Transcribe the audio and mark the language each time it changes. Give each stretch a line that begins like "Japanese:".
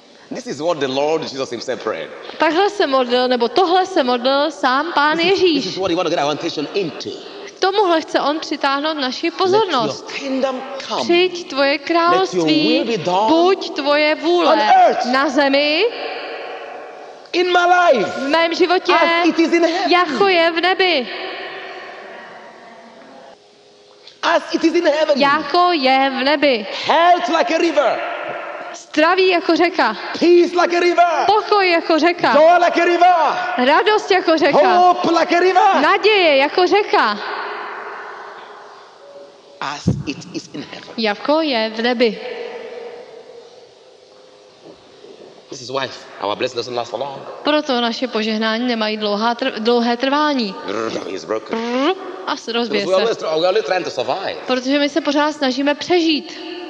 English: This is what the Lord Jesus himself prayed.
Czech: Takhle se modlil, nebo tohle se modlil sám Pán Ježíš.
English: This is what he wanted to get our attention into.
Czech: Tomuhle chce on přitáhnout naši pozornost.
English: Let your kingdom come.
Czech: Přijď tvoje království, buď tvoje vůle na zemi.
English: In my life,
Czech: v mém životě,
English: as it is in heaven,
Czech: jako je v nebi.
English: As it is in heaven,
Czech: jako je v nebi.
English: Health like a river,
Czech: zdraví jako řeka.
English: Peace like a river,
Czech: pokoj jako řeka.
English: Joy like a river,
Czech: radost jako řeka.
English: Hope like a river,
Czech: naděje jako řeka.
English: As it is in heaven,
Czech: jako je v nebi.
English: This is why our blessing doesn't last for long.
Czech: Proto naše požehnání nemají dlouhé trvání.
English: It's broken.
Czech: A rozbije se.
English: We're trying to survive.
Czech: Protože my se pořád snažíme přežít.